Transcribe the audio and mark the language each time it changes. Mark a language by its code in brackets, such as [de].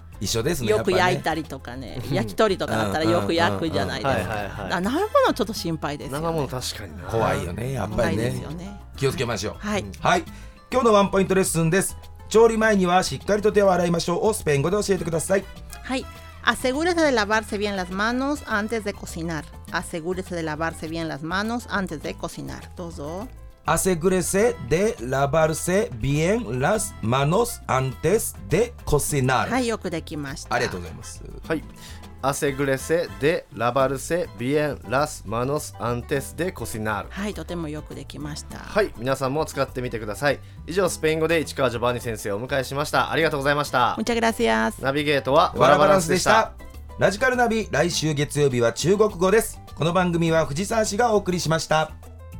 [ja] 一緒ですね、よく焼いたりとかね、焼き鳥とかだったらよく焼くじゃないですか。生物ちょっと心配ですよね。生物確かにな、怖いよね、やっぱり ね、怖いですよね。気をつけましょう、はいはい、今日のワンポイントレッスンです。調理前にはしっかりと手を洗いましょうをスペイン語で教えてください。 [es] はい、asegúrese de lavarse bien las manos antes de cocinar. Asegúrese de lavarse bien las manos antes de cocinar. [ja] どうぞ。 [es] Asegúrese de lavarse bien las manos antes de cocinar. [ja] はい、よくできました。ありがとうございます。 [es] はい、Asegúrese de lavarse bien las manos antes de cocinar. [ja] はい、とてもよくできました。はい、皆さんも使ってみてください。以上、スペイン語で市川ジョバンニ先生をお迎えしました。ありがとうございました。 [es] Muchas gracias. [ja] ナビゲートはワラバランスでした。ラジカルナビ、来週月曜日は中国語です。この番組は藤沢氏がお送りしました。